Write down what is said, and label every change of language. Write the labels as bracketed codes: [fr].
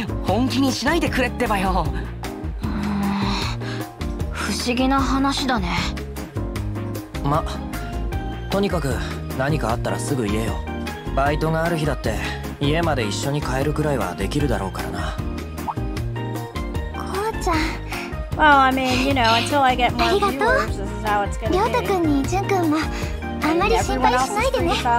[ja] 本気にしないでくれってばよ。不思議な話だね。ま、とにかく何かあったらすぐ言えよ。バイトがある日だって家まで一緒に帰るくらいはできるだろうからな。こうちゃん。 [en] Well, I mean, you know, until I get more viewers, this is how it's gonna be. [ja] りょうたくんに、じゅんくんも、あまり心配しないでね。